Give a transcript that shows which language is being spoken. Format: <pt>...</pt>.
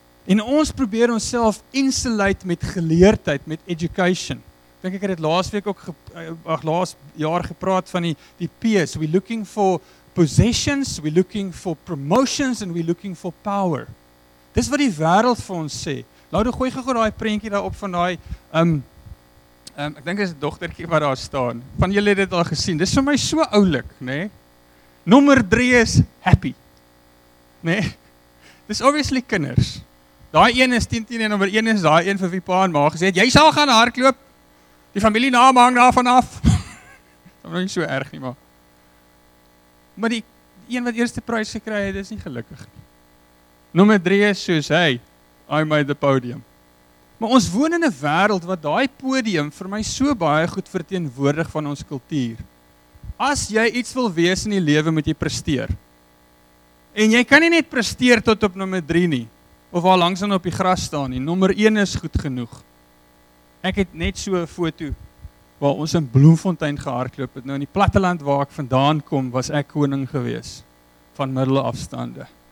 <af>En ons probeer onsself insulate met geleerdheid, met education. Dink ek het dit laasweek ook laas jaar gepraat van die P's.</af> <en>We're looking for possessions, we're looking for promotions and we're looking for power.</en> <af>Dis wat die wêreld vir ons sê. Laat gooi gou daai prentjie daarop van daai ek dink dit is 'n dogtertjie wat daar staan. Van julle het dit al gesien. Dis vir my so oulik, né? Nee? Nommer 3 is happy. Né? Nee? Dis obviously kinders. Daai een is 10-10 en nommer 1 is daai een vir wie pa en ma gesê het, jy sal gaan hardloop. Die familienaam hang daarvan af. Dit is nie so erg nie, maar. Maar die een wat eerste prys gekry het, is nie gelukkig nie. Nommer 3 is soos, hey,</af> <en>I made the podium.</en> <af>Maar ons woon in 'n wêreld wat daai podium vir my so baie goed verteenwoordig van ons kultuur. As jy iets wil wees in die lewe, moet jy presteer. En jy kan nie net presteer tot op nommer 3 nie. Of waar langs dan op die gras staan nie. Nommer 1 is goed genoeg. Ek het net so 'n foto waar ons in Bloemfontein gehardloop het. Nou in die platteland waar ek vandaan kom, was ek koning gewees van middelafstande.</af>